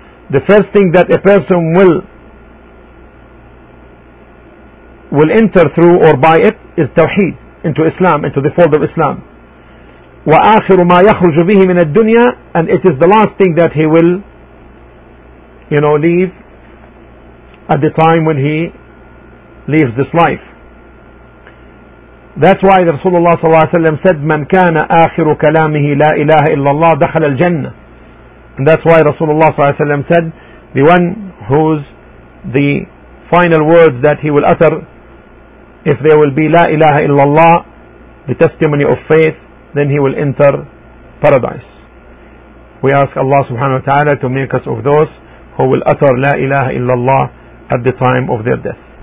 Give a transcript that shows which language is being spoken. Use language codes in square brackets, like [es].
[en] The first thing that a person will enter through or by it is Tawheed, into Islam, into the fold of Islam. [ar] وآخر ما يخرج به من الدنيا, [en] and it is the last thing that he will, you know, leave at the time when he leaves this life. That's why the Rasulullah صلى الله عليه وسلم said, [ar] من كان آخر كلامه لا إله إلا الله دخل الجنة. [en] And that's why Rasulullah صلى الله عليه وسلم said, the one whose the final words that he will utter, if there will be [ar] لا إله إلا الله, [en] the testimony of faith, then he will enter paradise. We ask Allah subhanahu wa ta'ala to make us of those who will utter La ilaha illallah at the time of their death.